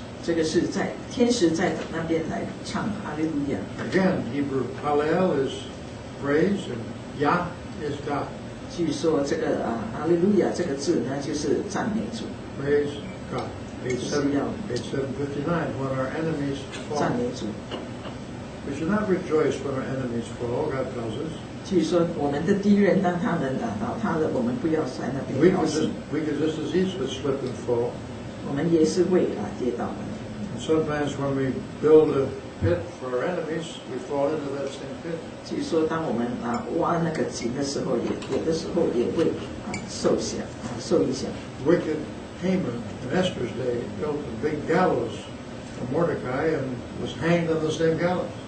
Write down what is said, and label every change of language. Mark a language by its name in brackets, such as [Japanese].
[Chinese] 这个是在天使在那边来唱 Hallelujah. [English] Again, Hebrew Hallel is praise and Yah is God. [Chinese] 据说这个Hallelujah 这个字呢就是赞美主。 [English] Praise God. Page 759, when our enemies fall. [Chinese] 赞美主。 [English] We should not rejoice when our enemies fall, God tells us. [Chinese] 据说我们的敌人当他们倒塌了，我们不要在那边高兴。 [English] We could just as easily slip and fall. [Chinese] 我们也是会跌倒的。 [English] And sometimes when we build a pit for our enemies, we fall into that same pit. [Chinese] 据说当我们挖那个井的时候，有的时候也会受影响。 [English] Wicked Haman in Esther's day built a big gallows for Mordecai and was hanged on the same gallows.